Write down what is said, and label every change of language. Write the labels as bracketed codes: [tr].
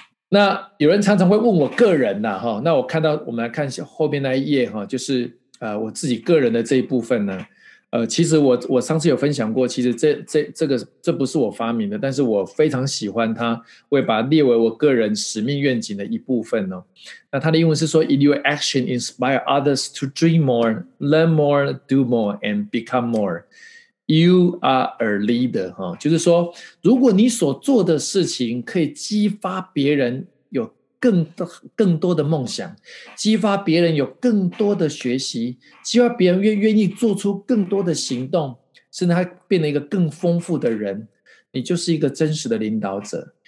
[zh] 那有人常常会问我个人啊，那我看到我们来看后面那一页，就是我自己个人的这一部分呢，其实我上次有分享过，其实这不是我发明的，但是我非常喜欢它，我也把它列为我个人使命愿景的一部分哦。那它的英文是说 [en] In your action inspire others to dream more, learn more, do more, and become more. You are a leader.、 [zh] 哦、就是说如果你所做的事情可以激发别人有更多的梦想，激发别人有更多的学习，激发别人愿意做出更多的行动，甚至他变成一个更丰富的人，你就是一个真实的领导者。